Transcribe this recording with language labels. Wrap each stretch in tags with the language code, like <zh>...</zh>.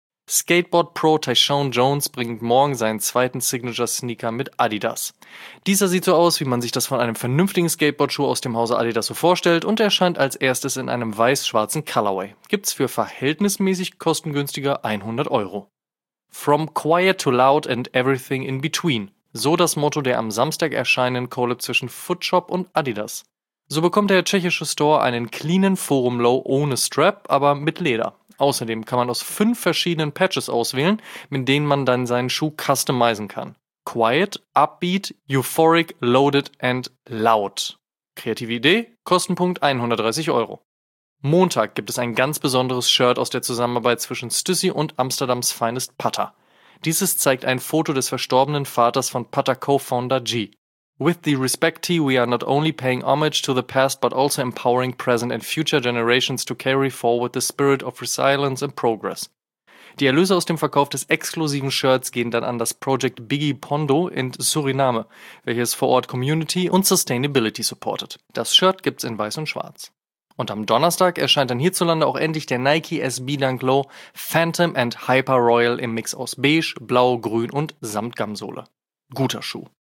<de>Skateboard-Pro Tyshawn Jones bringt morgen seinen 2. Signature-Sneaker mit Adidas. Dieser sieht so aus, wie man sich das von einem vernünftigen Skateboard-Schuh aus dem Hause Adidas so vorstellt und erscheint als erstes in einem weiß-schwarzen Colorway. Gibt's für verhältnismäßig kostengünstiger 100 Euro.</de> <en>From Quiet to Loud and Everything in Between.</en> <de>So das Motto der am Samstag erscheinenden Collab zwischen Footshop und Adidas. So bekommt der tschechische Store einen cleanen Forum-Low ohne Strap, aber mit Leder. Außerdem kann man aus 5 verschiedenen Patches auswählen, mit denen man dann seinen Schuh customizen kann.</de> <en>Quiet, Upbeat, Euphoric, Loaded and Loud.</en> <de>Kreative Idee, Kostenpunkt 130 Euro. Montag gibt es ein ganz besonderes Shirt aus der Zusammenarbeit zwischen Stussy und Amsterdams Finest Putter. Dieses zeigt ein Foto des verstorbenen Vaters von Putter Co-Founder G.</de> <en>With the Respect Tee, we are not only paying homage to the past, but also empowering present and future generations to carry forward the spirit of resilience and progress.</en> <de>Die Erlöse aus dem Verkauf des exklusiven Shirts gehen dann an das Project Biggie Pondo in Suriname, welches vor Ort Community und Sustainability supportet. Das Shirt gibt's in Weiß und Schwarz. Und am Donnerstag erscheint dann hierzulande auch endlich der Nike SB Dunk Low Phantom and Hyper Royal im Mix aus Beige, Blau, Grün und Samtgamsole. Guter Schuh.</de>